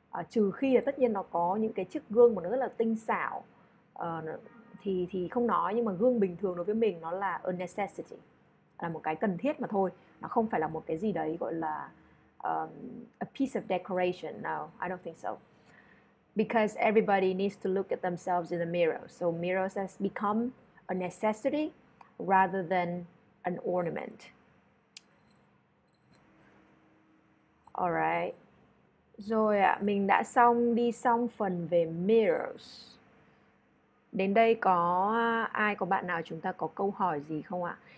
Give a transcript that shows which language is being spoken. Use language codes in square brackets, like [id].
[vi] Trừ khi là tất nhiên nó có những cái chiếc gương mà nó rất là tinh xảo. Thì không nói, nhưng mà gương bình thường đối với mình nó là a necessity, là một cái cần thiết mà thôi. Nó không phải là một cái gì đấy gọi là [en] a piece of decoration. No, I don't think so. Because everybody needs to look at themselves in the mirror. So mirrors has become a necessity rather than an ornament. Alright. [vi] Rồi ạ, mình đã xong đi xong phần về mirrors. Đến đây có ai, có bạn nào chúng ta có câu hỏi gì không ạ?